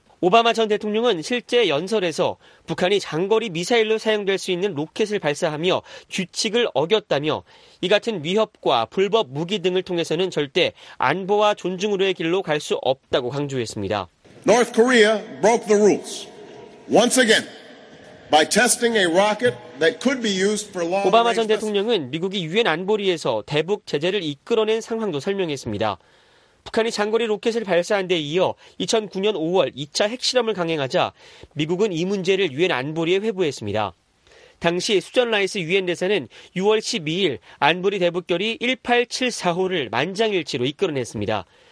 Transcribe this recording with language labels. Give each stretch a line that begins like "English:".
Korean: 오바마 전 대통령은 실제 연설에서 북한이 장거리 미사일로 사용될 수 있는 로켓을 발사하며 규칙을 어겼다며 이 같은 위협과 불법 무기 등을 통해서는 절대 안보와 존중으로의 길로 갈 수 없다고 강조했습니다.
English: North Korea broke the rules once again. By testing a rocket that could be used for long-range.
Korean: 오바마 전 대통령은 미국이 유엔 안보리에서 대북 제재를 이끌어낸 상황도 설명했습니다. 북한이 장거리 로켓을 발사한 데 이어 2009년 5월 2차 핵실험을 강행하자 미국은 이 문제를 유엔 안보리에 회부했습니다. 당시 수잔 라이스 유엔 대사는 6월 12일 안보리 대북 결의 1874호를 만장일치로 이끌어냈습니다.